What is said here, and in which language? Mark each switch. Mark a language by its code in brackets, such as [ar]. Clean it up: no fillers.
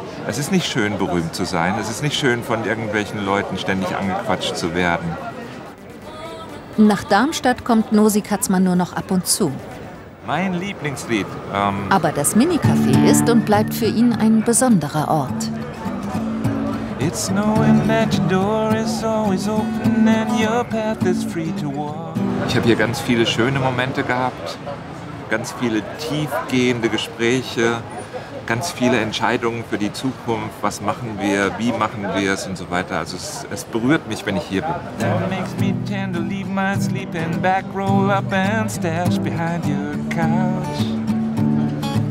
[de] Es ist nicht schön, berühmt zu sein. Es ist nicht schön, von irgendwelchen Leuten ständig angequatscht zu werden. Nach Darmstadt kommt Nosy Katzmann nur noch ab und zu. Mein Lieblingslied. Aber das Minicafé ist und bleibt für ihn ein besonderer Ort. [en] It's knowing that your door is always open and your path is free to walk. [de] Ich habe hier ganz viele schöne Momente gehabt, ganz viele tiefgehende Gespräche, ganz viele Entscheidungen für die Zukunft, was machen wir, wie machen wir es und so weiter. Also es berührt mich, wenn ich hier bin. [en] That makes me tend to leave my sleeping back, roll up and stash behind your couch.